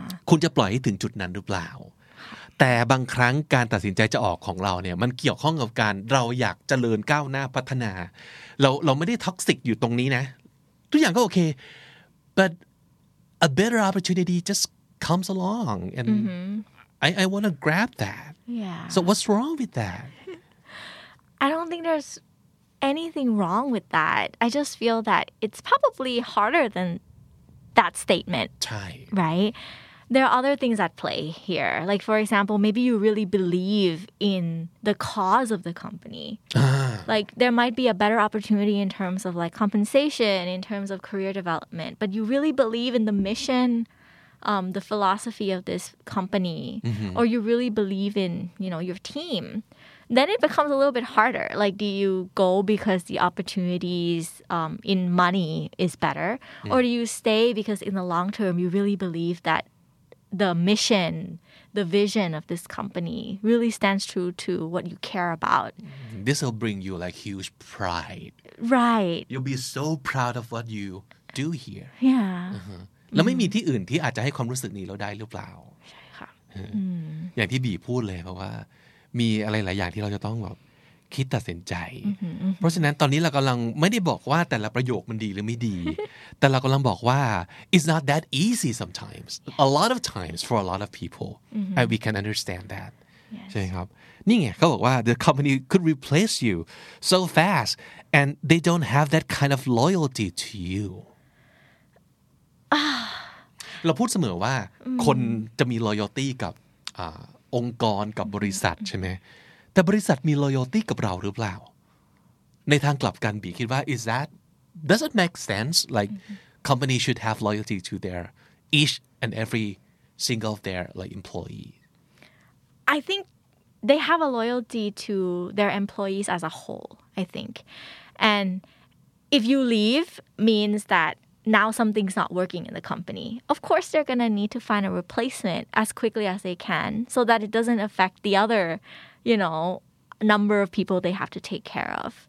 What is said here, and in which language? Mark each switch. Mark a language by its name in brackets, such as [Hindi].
[Thai] คุณจะปล่อยให้ถึงจุดนั้นหรือเปล่าแต่บางครั้งการตัดสินใจจะออกของเราเนี่ยมันเกี่ยวข้องกับการเราอยากเจริญก้าวหน้าพัฒนาเราไม่ได้ท็อกซิกอยู่ตรงนี้นะทุกอย่างก็โอเค [English] but a better opportunity just comes along and I want to grab that yeah so what's wrong with that I don't think there's anything wrong with that I just feel that it's probably harder than that statement [Thai] ใช่ [English] right There are other things at play here. Like, for example, maybe you really believe in the cause of the company. Like, there might be a better opportunity in terms of, like, compensation, in terms of career development. But you really believe in the mission, the philosophy of this company. Or you really believe in, you know, your team. then it becomes a little bit harder. Like, do you go because the opportunities in money is better? Yeah. Or do you stay because in the long term, you really believe that the mission, the vision of this company really stands true to what you care about? This will bring you, like, huge pride. Right. You'll be so proud of what you do here. Yeah. Uh-huh. [Thai] แล้วไม่มีที่อื่นที่อาจจะให้ความรู้สึกนี้เราได้หรือเปล่า ใช่ค่ะ อย่างที่บีพูดเลยเพราะว่ามีอะไรหลายอย่างที่เราจะต้องแบบคิดตัดสินใจเพราะฉะนั้นตอนนี้เรากำลังไม่ได้บอกว่าแต่ละประโยคมันดีหรือไม่ดีแต่เรากำลังบอกว่า [English] it's not that easy sometimes a lot of times for a lot of people and we can understand that [Thai] ใช่ครับนี่ไงเขาบอกว่า [English] the company could replace you so fast and they don't have that kind of loyalty to you [Thai] เราพูดเสมอว่าคนจะมี loyalty กับองค์กรกับบริษัทใช่ไหมแต่บริษัทมี loyalty กับเราหรือเปล่าในทางกลับกันบีคิดว่า [English] is that does it make sense like company should have loyalty to their each and every single of their like employee I think they have a loyalty to their employees as a whole I think and if you leave means thatNow something's not working in the company. Of course, they're going to need to find a replacement as quickly as they can so that it doesn't affect the other, you know, number of people they have to take care of.